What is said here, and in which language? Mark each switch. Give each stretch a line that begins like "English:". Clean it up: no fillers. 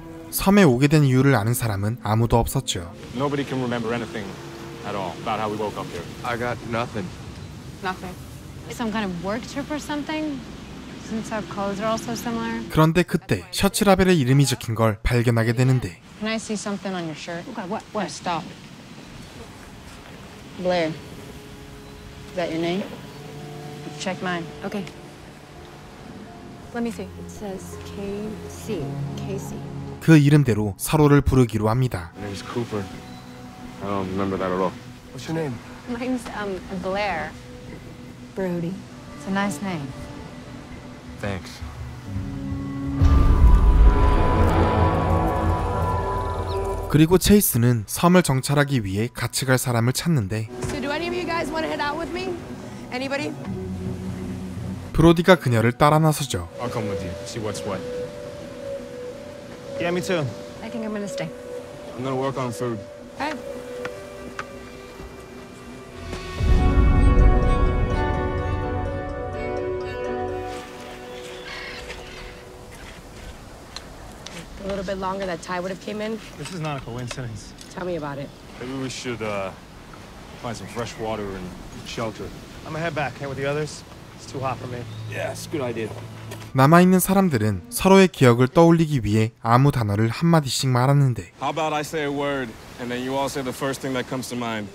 Korean: 섬에 오게 된 이유를 아는 사람은 아무도 없었죠.
English: Nobody can remember anything at all about how we woke up here. I got nothing. Nothing. Some kind of work trip or something? Since our clothes are all so similar.
Korean: 그런데 그때 셔츠 라벨의 이름이 적힌 걸 발견하게 되는데.
English: Can I see something on your shirt? Okay, what? What? Yeah, stop. Blair. Is that your name? Check mine. Okay. Let me see. It says KC. KC.
Korean: 그 이름대로 서로를 부르기로 합니다.
English: My name's Cooper. I don't remember that at all. What's your name? Mine's Blair. Brody. It's a nice name. Thanks.
Korean: 그리고 체이스는 섬을 정찰하기 위해 같이 갈 사람을 찾는데.
English: So do any of you guys want to head out with me? Anybody?
Korean: 브로디가 그녀를 따라 나서죠.
English: I'll come with you. See what's what. Yeah, me too. I think I'm gonna stay. I'm gonna work on food. Okay. A little bit longer, that tie would have came in. This is not a coincidence. Tell me about it. Maybe we should find some fresh water and shelter. I'm gonna head back. Head with the others. It's too hot for me. Yeah, it's a good idea.
Korean: 남아있는 사람들은 서로의 기억을 떠올리기 위해 아무 단어를 한마디씩 말하는데.
English: How about I say a word and then you all say the first thing that comes to mind?